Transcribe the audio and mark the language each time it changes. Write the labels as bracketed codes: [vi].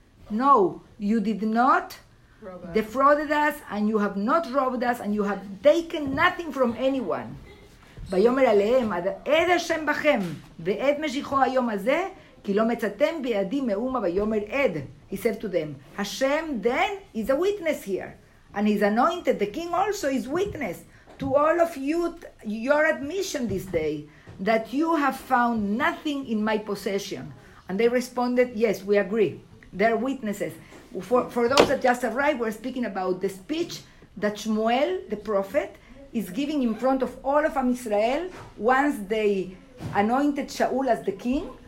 [en] No, you did not defrauded us, and you have not robbed us, and you have taken nothing from anyone. [he] ויאמר אליהם, עד השם בכם, ועד משיחו היום הזה, כי לא מצאתם בידי מאומה ויאמר עד. [en] He said to them, Hashem then is a witness here, and he's anointed, the king also is witness to all of you, your admission this day, that you have found nothing in my possession. And they responded, yes, we agree. They're witnesses. For those that just arrived, we're speaking about the speech that Shmuel, the prophet, is giving in front of all of Am Yisrael once they anointed Shaul as the king.